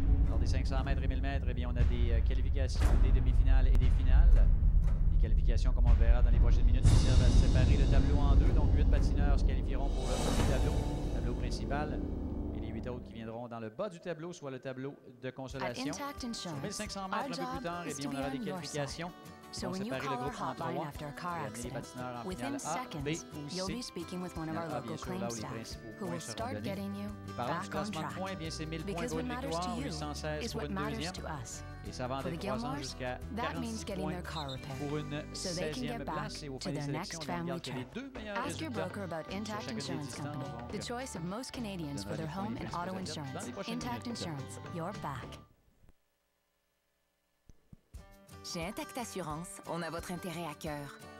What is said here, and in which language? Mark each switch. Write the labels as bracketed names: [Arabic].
[French] Dans des 500 mètres et 1000 mètres, eh bien, on a des qualifications, des demi-finales et des finales. Des qualifications, comme on le verra dans les prochaines minutes, qui servent à séparer le tableau en deux. Donc, 8 patineurs se qualifieront pour le premier tableau, tableau principal. Et les 8 autres qui viendront dans le bas du tableau, soit le tableau de consolation. À Intact Insurance, 1500 mètres un peu plus tard, eh bien, on aura des qualifications. [English] So when you call our hotline after a car accident, within seconds, you'll be speaking with one of our local claim staff, who will start getting you back on track. Because what matters to you is what matters to us. For the Gilmores, that means getting their car repaired, so they can get back to their next family trip. Ask your broker about Intact Insurance Company, the choice of most Canadians for their home and auto insurance. Intact Insurance, you're back. [French] Chez Intact Assurance, on a votre intérêt à cœur.